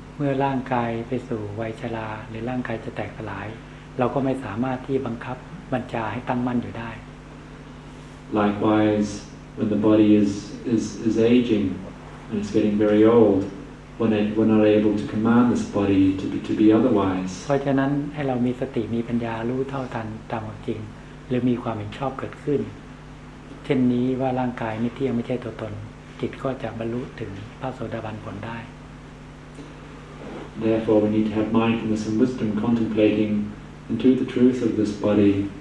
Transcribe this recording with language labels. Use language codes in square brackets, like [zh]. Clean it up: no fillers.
[th] เมื่อร่างกายไปสู่วัยชราหรือร่างกายจะแตกสลายเราก็ไม่สามารถที่บังคับบัญชาให้ตั้งมั่นอยู่ได้ [en] Likewise, when the body is aging and it's getting very old, we're not able to command this body to be otherwise. [th] เพราะฉะนั้นให้เรามีสติมีปัญญารู้เท่าทันตามความจริงหรือมีความเห็นชอบเกิดขึ้นเช่นนี้ว่าร่างกายไม่เที่ยงไม่ใช่ตัวตนจิตก็จะบรรลุถึงพระโสดาบันผลได้ [en] Therefore we need to have mindfulness and wisdom contemplating into the truth of this body